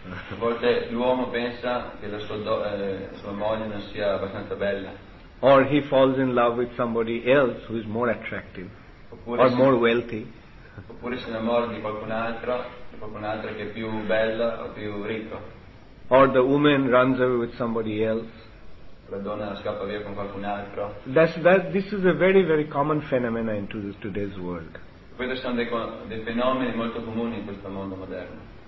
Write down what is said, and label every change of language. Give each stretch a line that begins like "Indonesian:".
Italian: A volte l'uomo pensa che la sua moglie non sia abbastanza bella.
English: Or he falls in love with somebody else who is more attractive or more wealthy.
Italian: Oppure si innamora di qualcun altro che è più bella o più ricco.
English: Or the woman runs away with somebody else.
Italian: La donna scappa via con qualcun altro.
English: This is a very very common phenomenon in today's world.
Italian: Questi sono dei fenomeni molto comuni in questo mondo moderno.